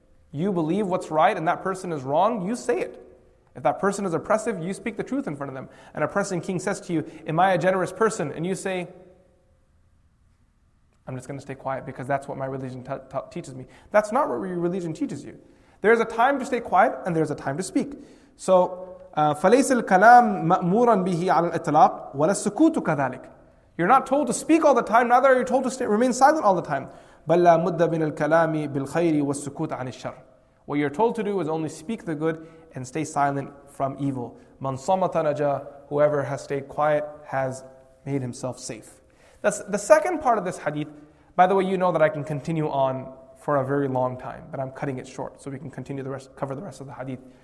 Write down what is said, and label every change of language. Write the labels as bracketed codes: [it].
[en] You believe what's right and that person is wrong, you say it. If that person is oppressive, you speak the truth in front of them. An oppressing king says to you, am I a generous person? And you say, I'm just going to stay quiet because that's what my religion teaches me. That's not what your religion teaches you. There is a time to stay quiet and there is a time to speak. So [ar] فليس الكلام مأمورا به على الإطلاق ولا السكوت كذلك. [en] You're not told to speak all the time, neither are you told to stay, remain silent all the time. [ar] بل لا مد من الكلام بالخير والسكوت عن الشر. [en] What you're told to do is only speak the good and stay silent from evil. [ar] من صمت نجا, [en] whoever has stayed quiet has made himself safe. That's the second part of this hadith. By the way, you know that I can continue on for a very long time, but I'm cutting it short so we can continue the rest, cover the rest of the hadith.